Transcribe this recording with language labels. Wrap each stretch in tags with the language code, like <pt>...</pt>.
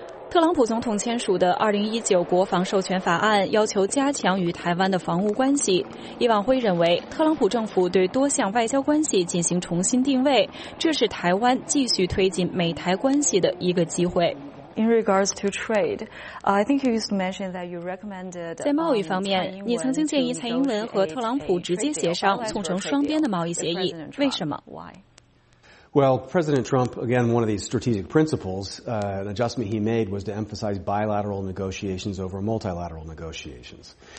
<zh>特朗普总统签署的2019国防授权法案要求加强与台湾的防务关系。叶望辉认为，特朗普政府对多项外交关系进行重新定位，这是台湾继续推进美台关系的一个机会。</zh> <en>In regards to trade, I think you used to mention that you recommended.</en> <zh>在贸易方面，你曾经建议蔡英文和特朗普直接协商，促成双边的贸易协议。为什么？</zh> <en>Well, President Trump, again, one of these strategic principles, an adjustment he made was to emphasize bilateral negotiations over multilateral negotiations.</en>